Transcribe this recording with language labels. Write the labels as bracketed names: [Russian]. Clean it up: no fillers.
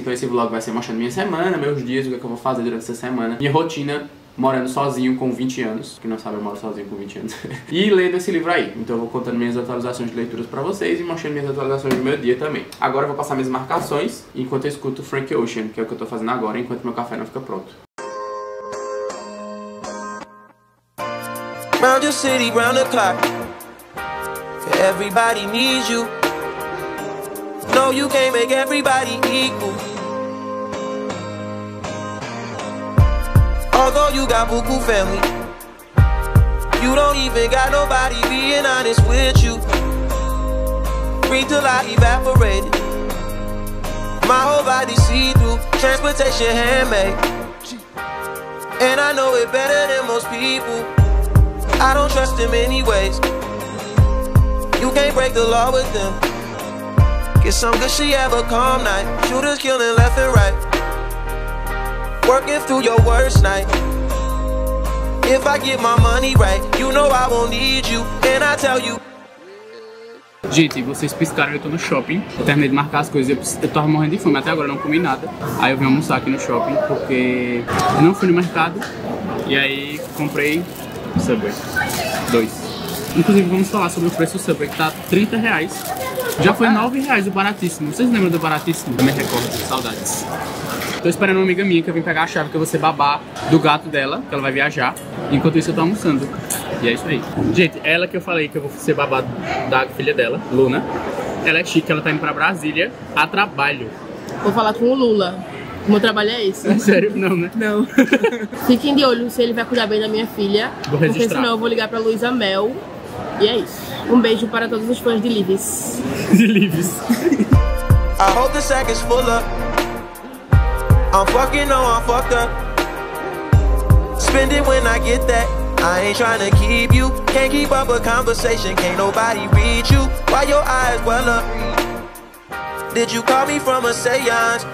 [Portuguese] Então esse vlog vai ser mostrando minha semana, meus dias, o que, é que eu vou fazer durante essa semana, minha rotina morando sozinho com 20 anos, que não sabe, eu moro sozinho com 20 anos, e lendo esse livro aí. Então eu vou contando minhas atualizações de leituras pra vocês e mostrando minhas atualizações do meu dia também. Agora eu vou passar minhas marcações enquanto eu escuto Frank Ocean, que é o que eu tô fazendo agora, enquanto meu café não fica pronto. [English] Round your city, round the clock. Everybody needs you. No, you can't make everybody equal. Although you got buku family, you don't even got nobody being honest with you. Free till I evaporated. My whole body see-through. Transportation handmade. And I know it better than most people. I don't trust them anyways. You can't break the law with them. Get some good shit, have a calm night. Shooters killing left and right. Working through your worst night. If I get my money right, you know I won't need you. And I tell you. [Portuguese] Gente, vocês piscaram, eu tô no shopping. Eu terminei de marcar as coisas, eu tava morrendo de fome. Até agora eu não comi nada. Aí eu vim almoçar aqui no shopping, porque eu não fui no mercado. E aí comprei Subway 2. Inclusive vamos falar sobre o preço do Subway, que tá R$30. Já foi R$9 o baratíssimo. Vocês lembram do baratíssimo? Eu me recordo, saudades. Tô esperando uma amiga minha, que eu vim pegar a chave, que eu vou ser babá do gato dela, que ela vai viajar. Enquanto isso eu tô almoçando. E é isso aí. Gente, ela que eu falei que eu vou ser babá da filha dela, Luna. Ela é chique, ela tá indo pra Brasília a trabalho. Vou falar com o Lula. O meu trabalho é esse. É sério? Não, né? Não. Fiquem de olho se ele vai cuidar bem da minha filha. Vou registrar. Porque senão eu vou ligar pra Luísa Mel. E é isso. Um beijo para todos os fãs de Livis. De Livis. [English] I hope the sack is full up. I'm fucking, no, I'm fucked up. Spend it when I get that. I ain't trying to keep you. Can't keep up a conversation. Can't nobody read you. Why your eyes well up? Did you call me from a seance?